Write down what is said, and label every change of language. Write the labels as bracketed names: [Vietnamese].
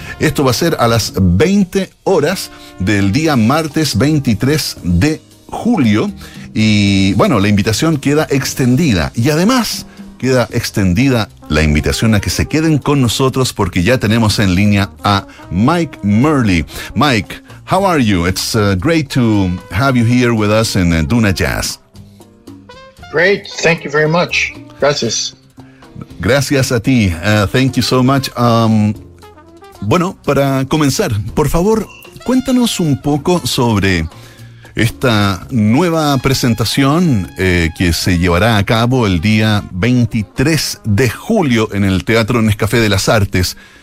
[Spanish] Esto va a ser a las 20 horas del día martes 23 de julio. Y bueno, la invitación queda extendida. Y además queda extendida la invitación a que se queden con nosotros, porque ya tenemos en línea a Mike Murley. [English] Mike, how are you? It's great to have you here with us in Duna Jazz. Great, thank you very much. [Spanish] Gracias. Gracias a ti. [English] Thank you so much. [Spanish] Bueno, para comenzar, por favor, cuéntanos un poco sobre esta nueva presentación que se llevará a cabo el día 23 de julio en el Teatro Nescafé de las Artes.